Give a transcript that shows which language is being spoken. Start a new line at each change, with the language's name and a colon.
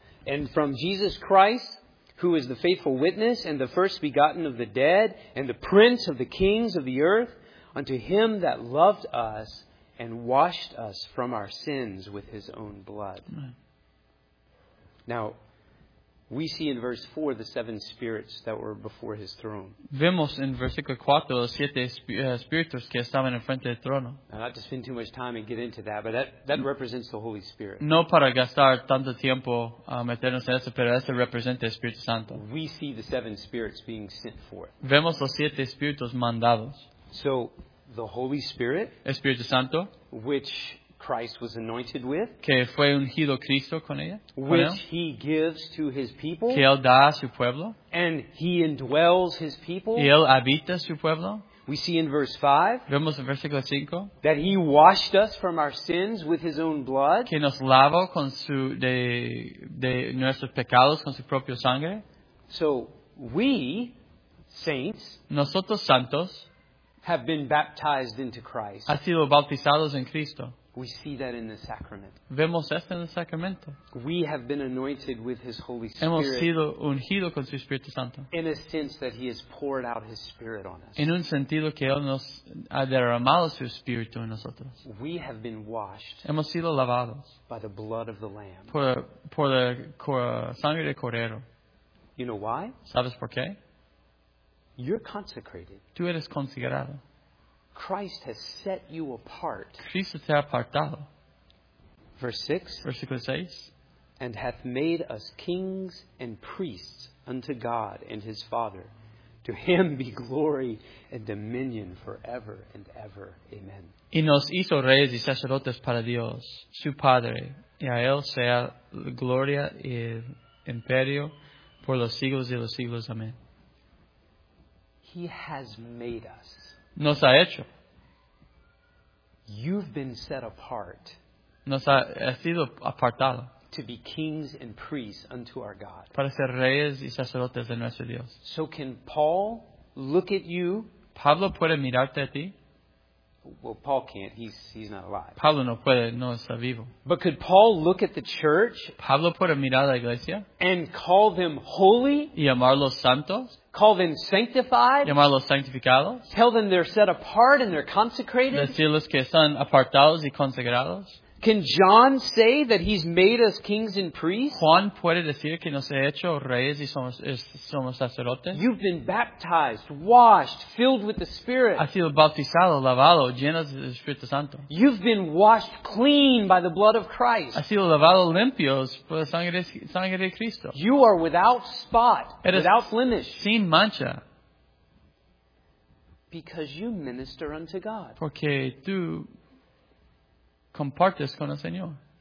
English: And from Jesus Christ, who is the faithful witness and the first begotten of the dead and the prince of the kings of the earth, unto him that loved us and washed us from our sins with his own blood. Right. Now, we see in verse 4 the seven spirits that were before his throne.
Spanish: Vemos en versículo 4 los siete espíritus que estaban en frente del trono.
English: Now, not to spend too much time and get into that, but that represents the Holy Spirit.
Spanish: No para gastar tanto tiempo a meternos en eso, pero eso representa el Espíritu Santo.
English: We see the seven spirits being sent forth.
Spanish: Vemos los siete espíritus mandados.
English: So, the Holy Spirit,
Spanish: Espíritu Santo,
English: which Christ was anointed with,
Spanish: que fue ungido Cristo con ella,
English: which
Spanish: con él,
English: he gives to his people,
Spanish: que él da a su pueblo,
English: and he indwells his people,
Spanish: y él habita su pueblo.
English: We see in verse 5,
Spanish: vemos en versículo 5,
English: that he washed us from our sins with his own blood,
Spanish: que nos lavó con su de nuestros pecados con su propia sangre.
English: So we saints,
Spanish: nosotros santos,
English: have been baptized into Christ.
Spanish: Ha sido bautizados en Cristo.
English: We see that in the sacrament.
Spanish: Vemos esto en el sacramento.
English: We have been anointed with his Holy Spirit.
Spanish: Hemos sido ungido con su Espíritu Santo.
English: In a sense that he has poured out his Spirit on us.
Spanish: En un sentido que él nos ha derramado su Espíritu en nosotros.
English: We have been washed.
Spanish: Hemos sido lavados.
English: By the blood of the Lamb.
Spanish: Por la sangre del Cordero.
English: You know why?
Spanish: ¿Sabes por qué?
English: You're consecrated.
Spanish: Tú eres consagrado.
English: Christ has set you apart.
Spanish: Cristo te ha apartado.
English: Verse 6. And hath made us kings and priests unto God and his Father. To him be glory and dominion forever and ever. Amen.
Spanish: Y nos hizo reyes y sacerdotes para Dios, su Padre. Y a él sea gloria y imperio por los siglos de los siglos. Amén.
English: He has made us.
Spanish: Nos ha hecho.
English: You've been set apart.
Spanish: Nos ha sido apartado.
English: To be kings and priests unto our God.
Spanish: Para ser reyes y sacerdotes de nuestro Dios.
English: So can Paul look at you?
Spanish: Pablo puede mirarte a ti.
English: Well, Paul can't. He's not alive.
Spanish: Pablo no puede. No está vivo.
English: But could Paul look at the church?
Spanish: Pablo puede mirar a la iglesia.
English: And call them holy?
Spanish: Y llamarlos santos.
English: Call them sanctified?
Spanish: Llamarlos sanctificados.
English: Tell them they're set apart and they're consecrated?
Spanish: Decirles que están apartados y consagrados.
English: Can John say that he's made us kings and priests?
Spanish: Juan puede decir que nos ha hecho reyes y somos sacerdotes.
English: You've been baptized, washed, filled with the Spirit.
Spanish: Ha sido bautizado, lavado, llenos del Espíritu Santo.
English: You've been washed clean by the blood of Christ.
Spanish: Ha sido lavado limpios por la sangre de Cristo.
English: You are without spot, without blemish.
Spanish: Sin mancha.
English: Because you minister unto God.
Spanish: Porque tú compartes con el Señor.